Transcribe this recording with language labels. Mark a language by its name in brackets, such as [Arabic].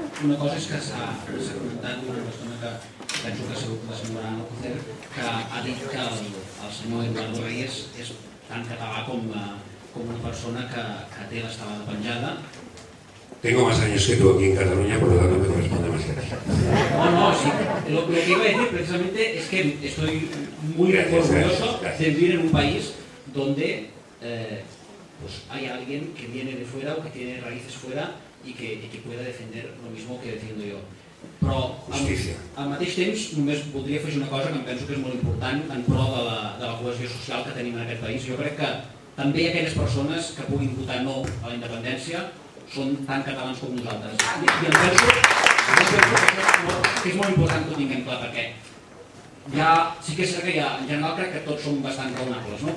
[Catalan] Una cosa és que s'ha comentat una persona que penso que ha sigut la senyora Ana Cocer, que ha dit que el senyor Eduardo Reyes és tan català com una persona que té l'estava de penjada. [Spanish] Tengo más años que tú aquí en Cataluña, por lo tanto me corresponde más que a ti. No, sí. Lo que iba a decir precisamente es que estoy muy orgulloso de vivir en un país donde pues hay alguien que viene de fuera o que tiene raíces fuera y que pueda defender lo mismo que defiendo yo. [Catalan] Però, justícia. Al mateix temps, només voldria fer una cosa que em penso que és molt important en pro de la cohesió social que tenim en aquest país. Jo crec que també hi ha aquelles persones que puguin votar no a la independència són tan catalans com nosaltres. I em penso que és molt important que ho tinguem clar, perquè ja, sí que és cert que ja, en general crec que tots som bastant raonables, no?